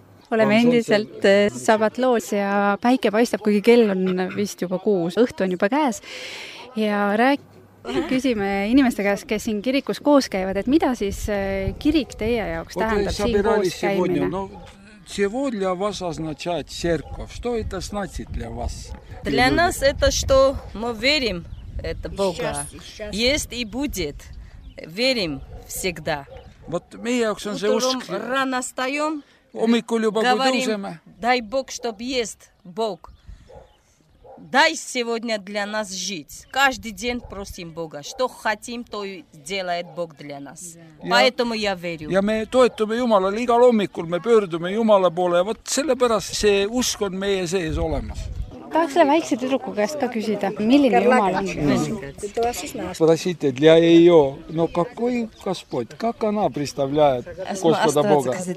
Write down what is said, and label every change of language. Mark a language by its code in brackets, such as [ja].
[et] Oleme endiselt sabat loos ja päike paistab, kuigi kell on vist juba 6. Õhtu on juba käes ja küsime inimeste käes, kes siin kirikus koos käivad, et mida siis kirik teie jaoks tähendab siin koos käimine? [ru] Чего для вас означает церковь? Что это значит для вас? Для нас это что мы верим это Бога. Есть и будет. Верим всегда. Вот мы якось он же утром рано встаем. Омикулю говорим, дай Бог, чтоб есть Бог. Дай сегодня для нас жить. Каждый день просим Бога. Что хотим, то и делает Бог для нас. Поэтому я верю. [et] Ja me toetume Jumalale igal hommikul, me pöördume Jumala poole. Ja võt, sellepärast see usk on meie sees olemas. Tahaks selle väikse tüdruku käest ka küsida, milline Jumal on? [ru] Prosite, для ее, но какой Господь, как она представляет Господа Бога?